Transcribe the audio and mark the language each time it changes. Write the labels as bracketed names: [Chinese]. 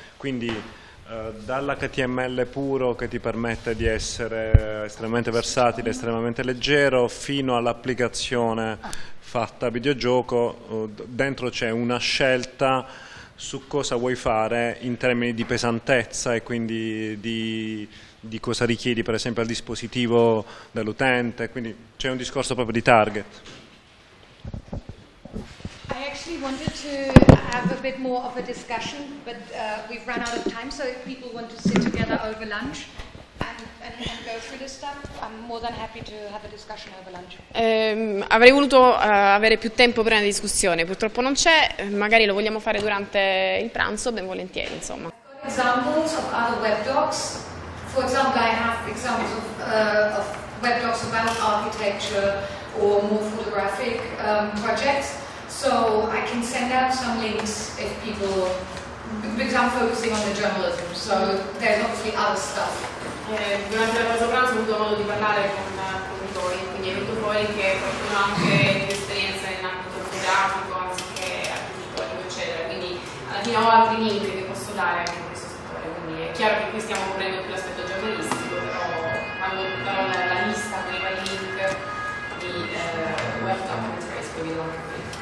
[Italian] Quindi, dall'HTML puro che ti permette di essere estremamente versatile, estremamente leggero, fino all'applicazione fatta a videogioco, dentro c'è una scelta su cosa vuoi fare in termini di pesantezza e quindi di cosa richiedi per esempio al dispositivo dell'utente, quindi c'è un discorso proprio di target. [English] I actually wanted to have a bit more of a discussion, but we've run out of time, so if people want to sit together over lunch and go through this stuff, I'm more than happy to have a discussion over lunch. [Italian] Avrei voluto avere più tempo per una discussione, purtroppo non c'è, magari lo vogliamo fare durante il pranzo, ben volentieri, insomma. [English] Examples of other webdocs. For example, I have examples of webdocs about architecture or more photographic projects. So I can send out some links if people, because I'm focusing on the journalism, so there's obviously other stuff. [Italian] Durante la pausa pranzo ho avuto modo di parlare con voi, quindi è venuto fuori che qualcuno ha anche esperienza in ambito fotografico, anziché architettonico, eccetera. Quindi alla fine ho altri link che posso dare anche in questo settore. Quindi è chiaro che qui stiamo coprendo più l'aspetto giornalistico, però quando darò la lista con i vari link di webdoc in fresco, vi do anche qui.